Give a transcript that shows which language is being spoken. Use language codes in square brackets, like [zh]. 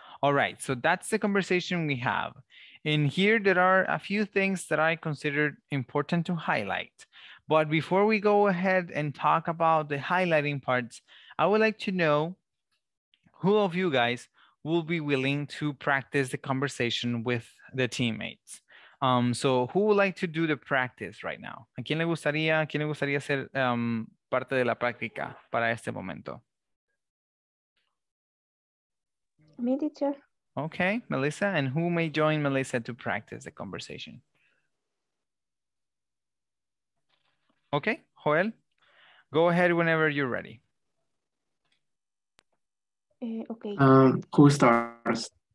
[en] All right, so that's the conversation we have. And here there are a few things that I considered important to highlight. But before we go ahead and talk about the highlighting parts, I would like to know who of you guys will be willing to practice the conversation with the teammates. So who would like to do the practice right now? [es] ¿A quién le gustaría ser parte de la práctica para este momento? [en] Me, teacher. Okay, Melissa. And who may join Melissa to practice the conversation? Okay, Joel, go ahead whenever you're ready. Okay. Who starts?